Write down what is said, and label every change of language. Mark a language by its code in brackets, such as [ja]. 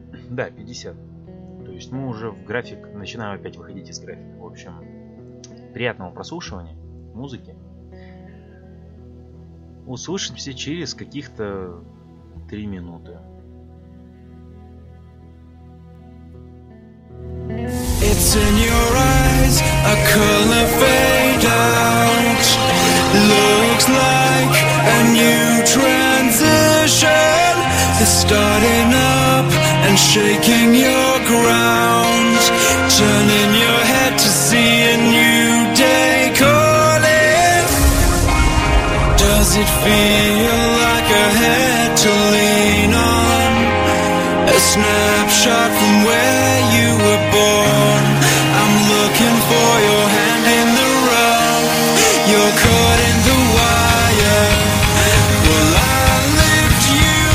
[ru] Да, 50. То есть мы уже в график, начинаем опять выходить из графика. В общем, приятного прослушивания музыки. Услышимся через каких-то 3 минуты. [en] It's in your eyes, a color fade out. Looks like a new transition. The starting up and shaking your ground. Turning your head to see a new day calling. Does it feel like a head to lean on? A snapshot from where you were born. I'm looking for your hand in the rough. You're caught in the wire. Will I lift you